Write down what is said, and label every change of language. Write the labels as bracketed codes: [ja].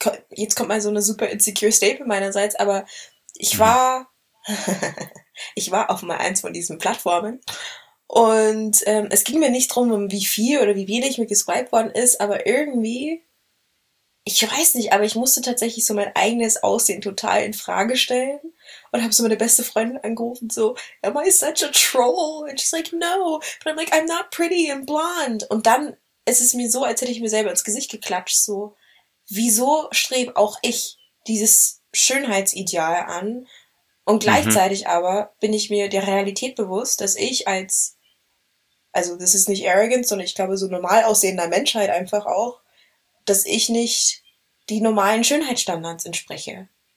[de] Jetzt kommt mal so eine super insecure Statement meinerseits. Aber ich war ich war auf mal eins von diesen Plattformen. Und es ging mir nicht drum, wie viel oder wie wenig mir geswiped worden ist, aber irgendwie, ich weiß nicht, aber ich musste tatsächlich so mein eigenes Aussehen total in Frage stellen und habe so meine beste Freundin angerufen, so, [en] am I such a troll? And she's like, no, but I'm like, I'm not pretty and blonde. [de] Und dann ist es mir so, als hätte ich mir selber ins Gesicht geklatscht, so, wieso strebe auch ich dieses Schönheitsideal an? Und gleichzeitig aber bin ich mir der Realität bewusst, dass ich als, also das ist nicht arrogant, sondern ich glaube so normal aussehender Menschheit einfach auch, dass ich nicht die normalen Schönheitsstandards entspreche.